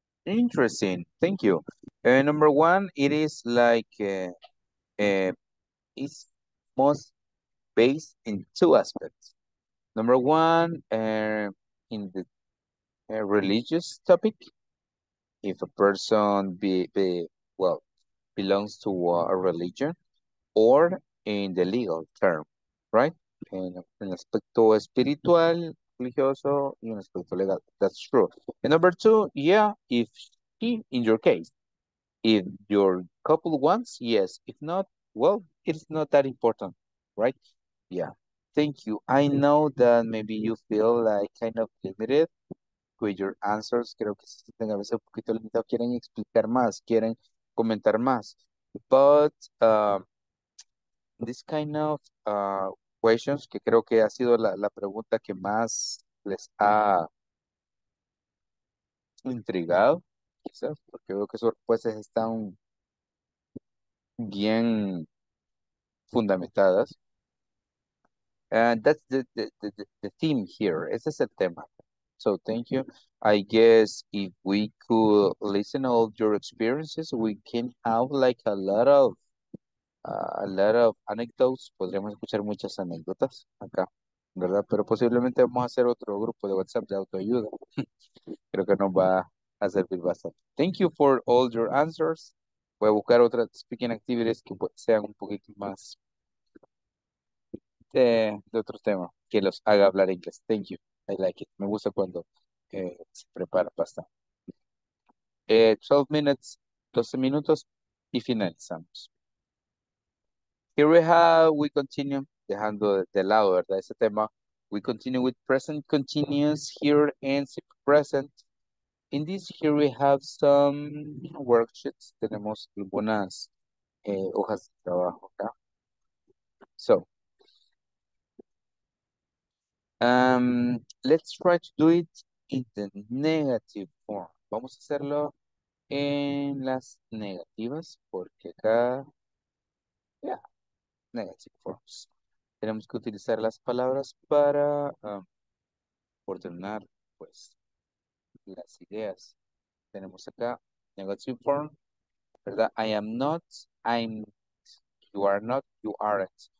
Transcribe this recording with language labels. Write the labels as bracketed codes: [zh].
[en] Interesting, thank you. Number one, it is like, it's most based in two aspects. Number one, in the religious topic, if a person belongs to a religion, or in the legal term, right? [es] En aspecto espiritual, religioso, y en aspecto legal. [en] That's true. And number two, yeah, in your case, if your couple wants, yes. If not, well, it's not that important, right? Yeah. Thank you. I know that maybe you feel like kind of limited with your answers. [es] Creo que se sienten a veces un poquito limitado. Quieren explicar más, quieren comentar más. [en] But this kind of questions, [es] que creo que ha sido la pregunta que más les ha intrigado, quizás, porque veo que sus respuestas están bien fundamentadas. [en] And that's the theme here. [es] Ese es el tema. [en] So thank you. I guess if we could listen all your experiences, we can have like a lot of anecdotes. [es] Podríamos escuchar muchas anécdotas acá, ¿verdad? Pero posiblemente vamos a hacer otro grupo de WhatsApp de autoayuda. Creo que nos va a servir bastante. [en] Thank you for all your answers. [es] Voy a buscar otras speaking activities que sean un poquito más de otro tema que los haga hablar inglés. Thank you. [en] I like it. [es] Me gusta cuando se prepara bastante. [en] 12 minutes, [es] 12 minutos y finalizamos. [en] Here we continue, [es] dejando de lado, ¿verdad? Ese tema. [en] We continue with present continuous here and simple present. In this, here we have some worksheets. [es] Tenemos algunas hojas de trabajo acá. [en] So, let's try to do it in the negative form. [es] Vamos a hacerlo en las negativas, porque acá, [en] yeah, negative forms. [es] Tenemos que utilizar las palabras para ordenar, pues, las ideas. Tenemos acá, [en] negative form, [es] ¿verdad? [en] I am not, I'm, you are not, you aren't.